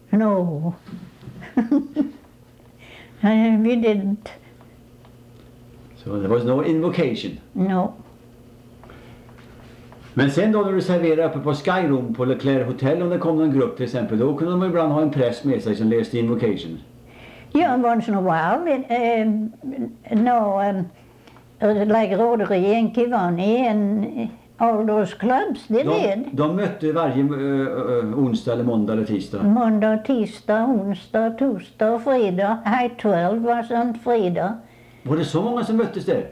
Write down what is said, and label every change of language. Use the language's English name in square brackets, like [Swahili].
[English] No. We didn't. So there was no invocation? No. [Swedish] Men sen då när du serverade uppe på Skyroom på Leclerc Hotel och det kom en grupp till exempel, då kunde de ibland ha en präst med sig som läste invocation? [English] Ja, yeah, once in a while. Like Rotary and Kivani and all those clubs, they did. [Swedish] De mötte varje onsdag eller måndag eller tisdag? Måndag, tisdag, onsdag, torsdag, fredag. High 12 var sånt fredag. Var det så många som möttes där?